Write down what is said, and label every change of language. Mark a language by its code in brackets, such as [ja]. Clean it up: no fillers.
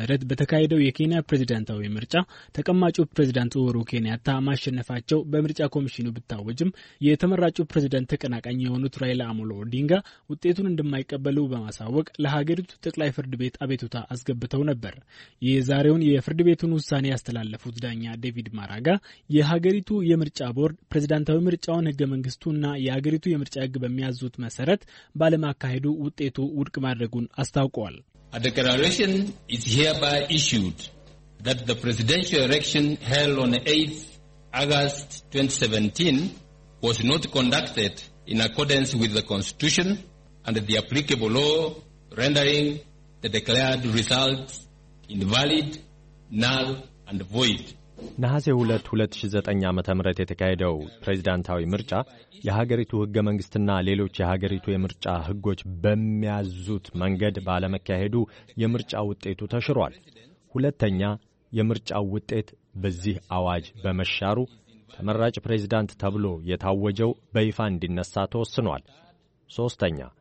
[am] በተካሄደው የኬንያ ፕሬዝዳንታዊ ምርጫ ተቀማጩ ፕሬዝዳንት ኡሁሩ ኬንያታ ማሸነፋቸው በምርጫ ኮሚሽኑ ብታወጅም የተመራጩ ፕሬዝዳንት ተቀናቃኝ የሆኑት ራይላ አሞሎ ኦዲንጋ ውጤቱን እንደማይቀበሉ በማሳወቅ ለሀገሪቱ ጠቅላይ ፍርድ ቤት አቤቱታ አስገብተው ነበር። የዛሬውን የፍርድ ቤቱን ውሳኔ ያስተላለፉት ዳኛ ዴቪድ ማራጋ የሀገሪቱ የምርጫ ቦርድ ፕሬዝዳንታዊ ምርጫውን ህገ መንግስቱና የሀገሪቱ የምርጫ ህግ በሚያዙት መሰረት ባለማካሄዱ ውጤቱ ውድቅ ማድረጉን አስታውቀዋል። [en] A declaration is hereby issued that the presidential election held on 8th August 2017 was not conducted in accordance with the Constitution and the applicable law, rendering the declared results invalid, null and void. [am] ነሐሴ 2009 ዓ.ም. የተካሄደው ፕሬዝዳንታዊ ምርጫ የሀገሪቱ ህገ መንግስትና ሌሎች የሀገሪቱ የምርጫ ህጎች በሚያዙት መንገድ ባለመካሄዱ የምርጫ ውጤቱ ተሽሯል። ሁለተኛ የምርጫ ውጤት በዚህ አዋጅ በመሻሩ ተመራጭ ፕሬዝዳንት ተብሎ የታወጀው በይፋ እንዲነሳ ተወስኗል። ሶስተኛ